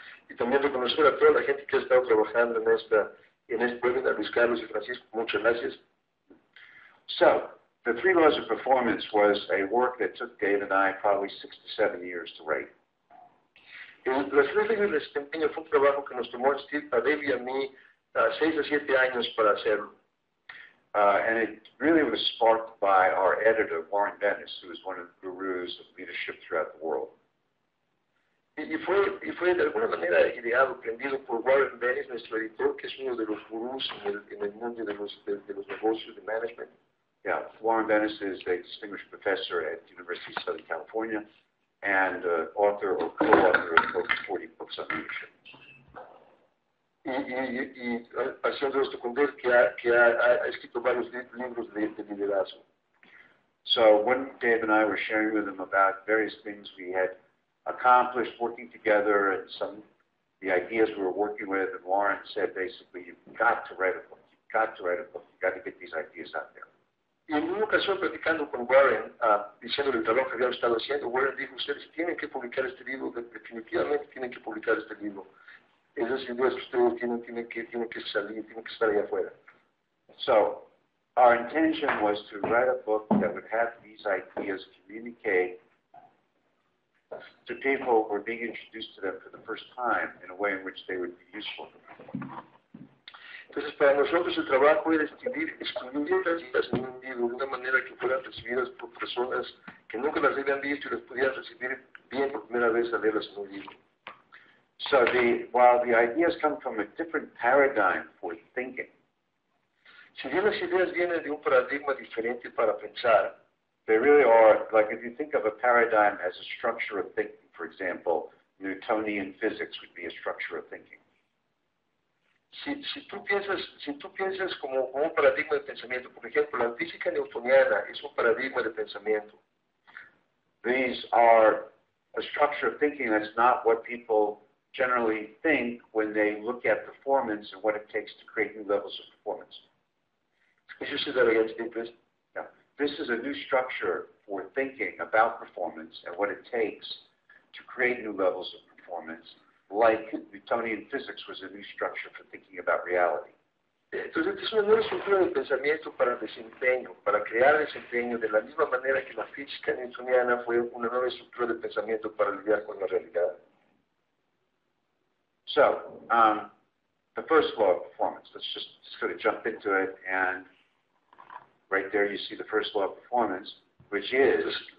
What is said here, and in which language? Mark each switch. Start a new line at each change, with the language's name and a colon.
Spanish: Y también reconocer a toda la gente que ha estado trabajando en este webinar, Luis Carlos y Francisco, muchas gracias.
English: So, The Three Laws of Performance was a work that took Dave and I probably 6 to 7 years to write.
Spanish: Las Tres Leyes del Desempeño fue un trabajo que nos tomó a Dave y a mí 6 a 7 años para hacerlo.
English: And it really was sparked by our editor, Warren Dennis, who is one of the gurus of leadership throughout the world.
Spanish: Y fue de alguna manera ideado, aprendido por Warren Bennis, nuestro editor, que es uno de los gurús en el mundo de los negocios de management.
English: Yeah, Warren Bennis is a distinguished professor at the University of Southern California and author or co-author of over 40 books on leadership.
Spanish: Y haciendo esto con él, que ha escrito varios libros de liderazgo.
English: So when Dave and I were sharing with him about various things we had accomplished working together and some the ideas we were working with, and Warren said basically, you've got to write a book, you've got to get these ideas out there.
Spanish: Y en una ocasión platicando con Warren, diciéndole el trabajo que había estado haciendo, Warren dijo, ustedes tienen que publicar este libro, definitivamente tienen que publicar este libro. Es decir, no es que ustedes tienen que salir, tienen que estar allá afuera.
English: So, our intention was to write a book that would have these ideas communicate to people who are being introduced to them for the first time in a way in which they would be useful to them.
Spanish: Entonces, para nosotros el trabajo era escribir estas ideas en un libro de una manera que fueran recibidas por personas que nunca las habían visto y las pudieran recibir bien por primera vez a leerlas en un libro.
English: So while the ideas come from a different paradigm for thinking,
Spanish: si bien las ideas vienen de un paradigma diferente para pensar,
English: they really are, like if you think of a paradigm as a structure of thinking, for example, Newtonian physics would be a structure of thinking.
Spanish: Si tú piensas como un paradigma de pensamiento, por ejemplo, la física newtoniana es un paradigma de pensamiento.
English: These are a structure of thinking that's not what people generally think when they look at performance and what it takes to create new levels of performance. Could you say that again, Steve? Yeah. This is a new structure for thinking about performance and what it takes to create new levels of performance. Like Newtonian physics was a new structure for thinking about reality.
Spanish: Entonces, es una nueva estructura de pensamiento para desempeño, para crear desempeño, de la misma manera que la física newtoniana fue una nueva estructura de pensamiento para lidiar con la realidad.
English: So, the first law of performance, let's just sort of jump into it, and right there you see the first law of performance, which is...